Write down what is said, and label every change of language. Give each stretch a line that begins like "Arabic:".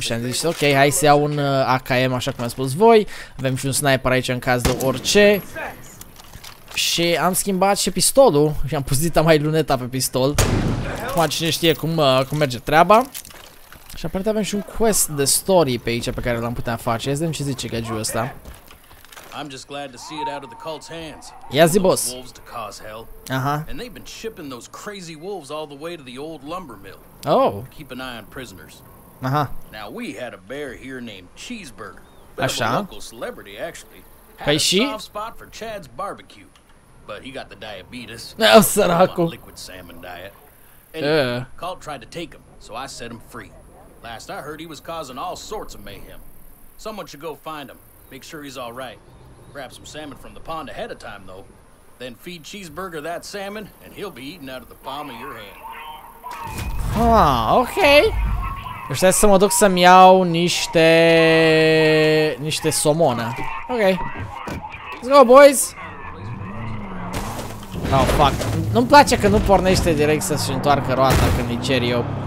Romanian: Și am zis ok, hai să iau un AKM așa cum am spus voi. Avem și un sniper aici în caz de orice. Și am schimbat și pistolul și am pus dita mai luneta pe pistol. Acum cine știe cum merge treaba. Și aparent avem și un quest de story pe aici pe care l-am putea face. Ia zi ce zice gagiul ăsta.
English: I'm just glad to see it out of the cult's hands.
Romanian: Ia zi, boss.
English: Wolves to cause hell. Aha. And they've been shipping those crazy wolves all the way to the old lumber mill. Oh. Keep an eye on prisoners. Aha. Now we had a bear here named Cheeseburger. Bit of a local celebrity actually. Had a soft spot for Chad's barbecue. But he got the diabetes. Oh,
Romanian: săracu.
English: On a liquid salmon diet. Anyway, cult tried to take him, so I set him free. Last I heard, he was causing all sorts of mayhem. Someone should go find him, make sure he's all right. Grab some salmon from the pond ahead of time, though. Then feed Cheeseburger that salmon, and he'll be eating out of the palm of your hand. Ah, okay.
Romanian: Deci trebuie să mă duc să-mi iau niște somonă. Ok.
English: Let's go, boys! Oh, fuck.
Romanian: Nu-mi place că nu pornește direct să-și întoarcă roata când îi cer eu.